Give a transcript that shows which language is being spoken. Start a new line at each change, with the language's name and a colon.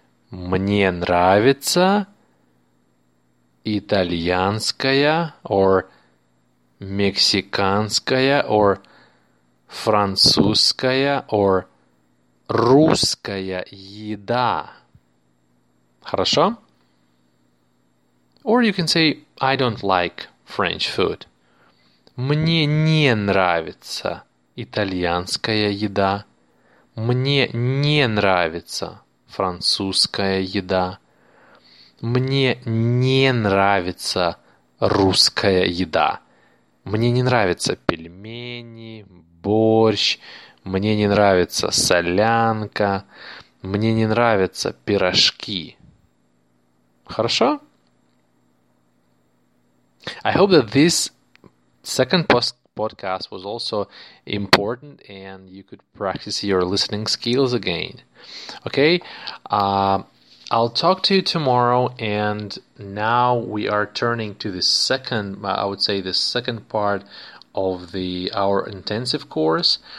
Russian: Мне нравится итальянская, or мексиканская, or французская, or русская еда. Хорошо?
English: Or you can say, I don't like French food.
Russian: Мне не нравится итальянская еда. Мне не нравится французская еда. Мне не нравится русская еда. Мне не нравятся пельмени, борщ. Мне не нравится солянка. Мне не нравятся пирожки. Хорошо?
English: I hope that this second podcast was also important and you could practice your listening skills again. Okay? I'll talk to you tomorrow, and now we are turning to the second, I would say the second part of our intensive course.